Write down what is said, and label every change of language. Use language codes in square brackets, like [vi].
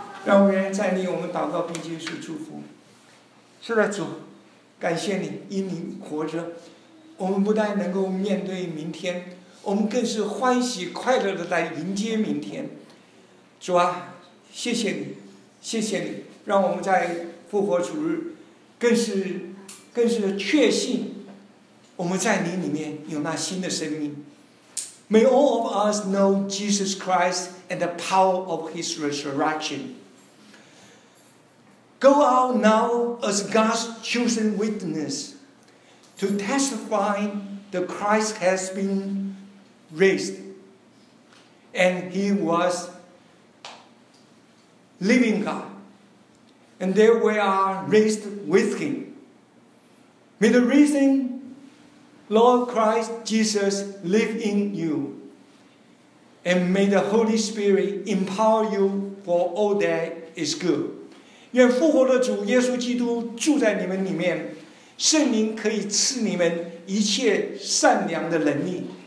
[zh] 让我们在你我们祷告并接受祝福。是的，主，感谢你，因你活着，我们不但能够面对明天，我们更是欢喜快乐的来迎接明天。主啊，谢谢你，谢谢你，让我们在复活主日更是确信我们在你里面有那新的生命。 [en] May all of us know Jesus Christ and the power of His resurrection. Go out now as God's chosen witness to testify that Christ has been raised and He was living God, and there we are raised with Him. May the risen Lord Christ Jesus live in you, and may the Holy Spirit empower you for all that is good. [zh] 愿复活的主耶稣基督住在你们里面，圣灵可以赐你们一切善良的能力。